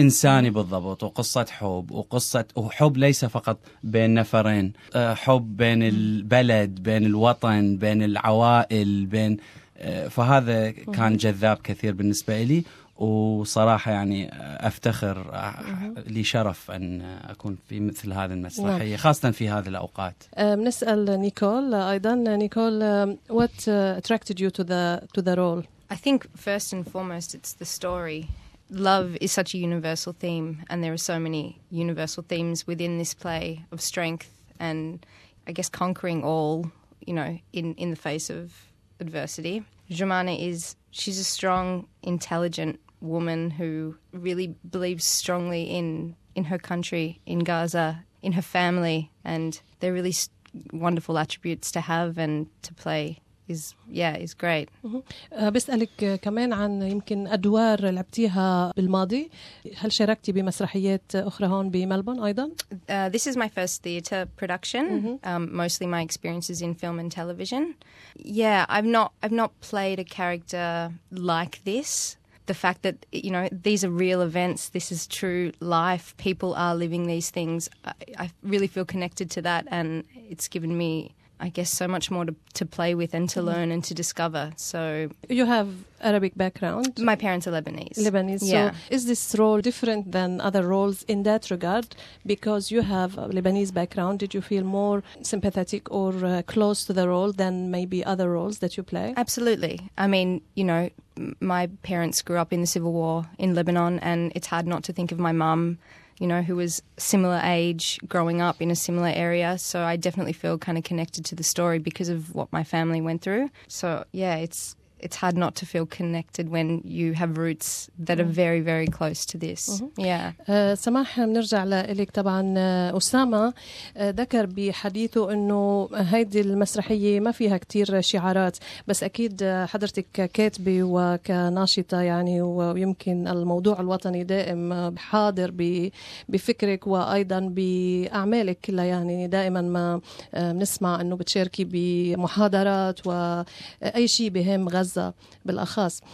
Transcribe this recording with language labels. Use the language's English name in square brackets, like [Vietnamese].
[Arabic] إنساني بالضبط، وقصة حب، وقصة وحب ليس فقط بين نفرين، حب بين البلد بين الوطن بين العوائل بين، فهذا كان جذاب كثير بالنسبة لي، وصراحة يعني أفتخر لي شرف أن أكون في مثل هذه المسرحية خاصة في هذه الأوقات. نسأل نيكول أيضا. [English] Nicole, what attracted you to the role? I think first and foremost it's the story. Love is such a universal theme, and there are so many universal themes within this play of strength and I guess conquering all, you know, in the face of adversity. Germana is, she's a strong, intelligent woman who really believes strongly in her country, in Gaza, in her family, and they're really wonderful attributes to have and to play. Is great. [Arabic] بسألك كمان عن يمكن أدوار لعبتيها بالماضي. هل شاركتي بمسرحيات أخرى هون بملبون أيضا؟ [English] This is my first theatre production. Mostly my experiences in film and television. Yeah, I've not played a character like this. The fact that, you know, these are real events, this is true life, people are living these things. I really feel connected to that, and it's given me, I guess, so much more to play with and to learn and to discover. So you have Arabic background. My parents are Lebanese. Lebanese. Yeah. So is this role different than other roles in that regard? Because you have a Lebanese background, did you feel more sympathetic or close to the role than maybe other roles that you play? Absolutely. I mean, you know, my parents grew up in the civil war in Lebanon, and it's hard not to think of my mum, you know, who was similar age growing up in a similar area. So I definitely feel kind of connected to the story because of what my family went through. So, yeah, it's hard not to feel connected when you have roots that are very, very close to this. Mm-hmm. Yeah. [Arabic] سماح بنرجع لك طبعا. أسامة ذكر بحديثه أنه هذه المسرحية ما فيها كتير شعارات, بس أكيد حضرتك ككاتبة وكناشطة يعني, ويمكن الموضوع الوطني دائم حاضر بفكرك وأيضا بأعمالك كلها, يعني دائما ما بنسمع أنه بتشاركي بمحاضرات وأي شيء بهم غزة بالأخص.